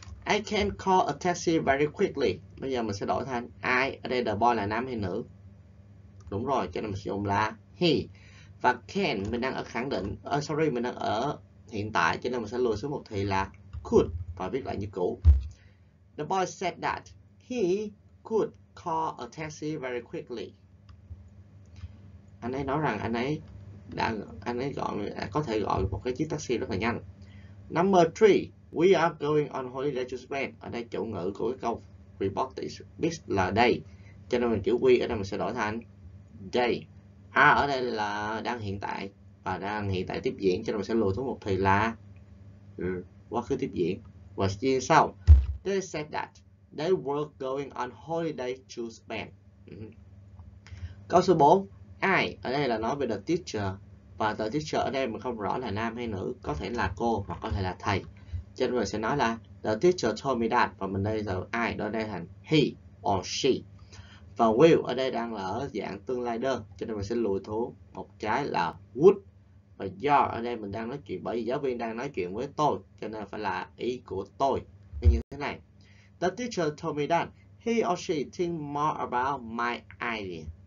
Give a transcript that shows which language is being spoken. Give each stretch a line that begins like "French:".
English: I can call a taxi very quickly.
Vietnamese: Bây giờ mình sẽ đổi thành ai, ở đây the boy là nam hay nữ, đúng rồi, cho nên mình sẽ dùng là he. Và can, mình đang ở khẳng định, mình đang ở hiện tại, cho nên mình sẽ lùi xuống một thì là could và viết lại như cũ.
English: The boy said that he could call a taxi very quickly.
Vietnamese: Anh ấy nói rằng anh ấy có thể gọi một cái chiếc taxi rất là nhanh.
English: Number 3, we are going on holiday to Spain.
Vietnamese: Ở đây chủ ngữ của cái câu report is là day, cho nên mình chữ we ở đây mình sẽ đổi thành day. A ở đây là đang hiện tại và đang hiện tại tiếp diễn, cho nên mình sẽ lùi xuống một thì là quá khứ tiếp diễn. Và tiếp sau,
English: they said that they were going on holiday to Spain.
Vietnamese: Câu số 4, ai, ở đây là nói về the teacher. Và the teacher ở đây mình không rõ là nam hay nữ, có thể là cô hoặc có thể là thầy, cho nên mình sẽ nói là
English: the teacher told me that.
Vietnamese: Và mình đây là ai, đó đây thành
English: he or she.
Vietnamese: Và will ở đây đang là ở dạng tương lai đơn, cho nên mình sẽ lùi thú một cái là would. Và do ở đây mình đang nói chuyện, bởi vì giáo viên đang nói chuyện với tôi, cho nên phải là ý của tôi. Như thế này,
English: the teacher told me that he or she think more about my idea.